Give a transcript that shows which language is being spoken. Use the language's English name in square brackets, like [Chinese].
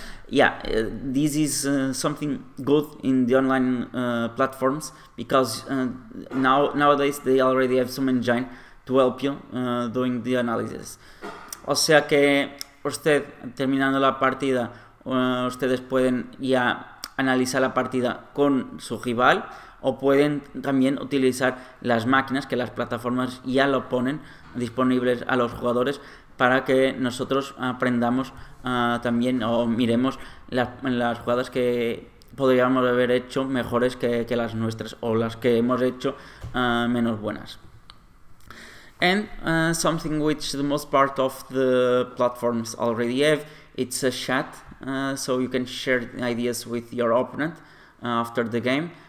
[English] Yeah, this is something good in the online platforms because nowadays they already have some engine to help you doing the analysis. [Spanish] O sea que usted terminando la partida, ustedes pueden ya analizar la partida con su rival o pueden también utilizar las máquinas que las plataformas ya lo ponen disponibles a los jugadores, para que nosotros aprendamos también o miremos las jugadas que podríamos haber hecho mejores que las nuestras o las que hemos hecho menos buenas. [English] And something which the most part of the platforms already have, it's a chat, so you can share ideas with your opponent after the game.